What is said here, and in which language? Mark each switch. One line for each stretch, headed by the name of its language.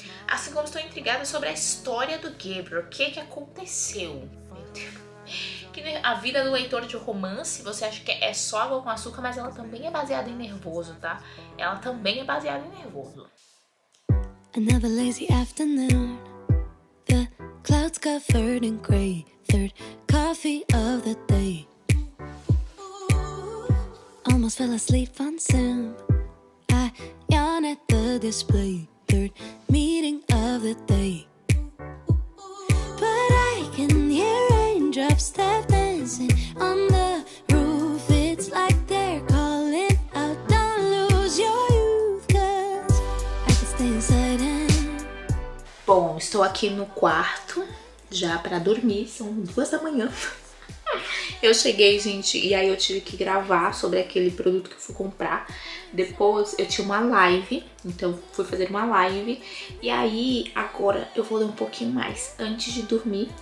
Portuguese: Assim como estou intrigada sobre a história do Gabriel, o que que aconteceu? Que a vida do leitor de romance, você acha que é só água com açúcar, mas ela também é baseada em nervoso, tá? Ela também é baseada em nervoso.
English: Another lazy afternoon. The clouds covered in gray. Third coffee of the day. Almost fell asleep on Zoom. I yawn at the display. Third meeting of the day. But I can hear raindrops tap dancing on the roof. It's like they're calling out. Don't lose your youth, 'cause I can stay inside and... Bom,
Portuguese: Bom, estou aqui no quarto, já pra dormir, são 2 da manhã. Eu cheguei, gente, e aí eu tive que gravar sobre aquele produto que eu fui comprar. Depois eu tinha uma live, então fui fazer uma live. E aí agora eu vou ler um pouquinho mais antes de dormir.